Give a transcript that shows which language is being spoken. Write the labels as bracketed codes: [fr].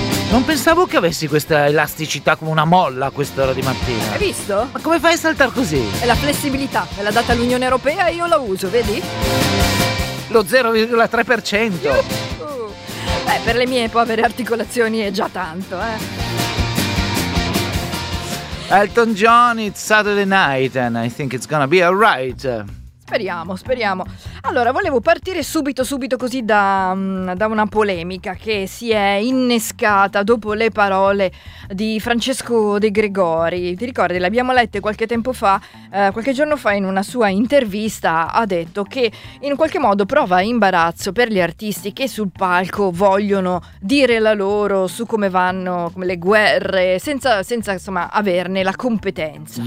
[it] Non pensavo che avessi questa elasticità come una molla a quest'ora di mattina. Hai visto? Ma come fai a saltare così? È la flessibilità, me l'ha data l'Unione Europea e io la uso, vedi? Lo 0,3%. Yuhu. Per le mie povere articolazioni è già tanto, eh. [en] Elton John, it's Saturday night and I think it's gonna be alright. [it] Speriamo, speriamo. Allora, volevo partire subito così da una polemica che si è innescata dopo le parole di Francesco De Gregori. Ti ricordi, le abbiamo lette qualche tempo fa, qualche giorno fa in una sua intervista ha detto che in qualche modo prova imbarazzo per gli artisti che sul palco vogliono dire la loro su come vanno le guerre senza insomma averne la competenza.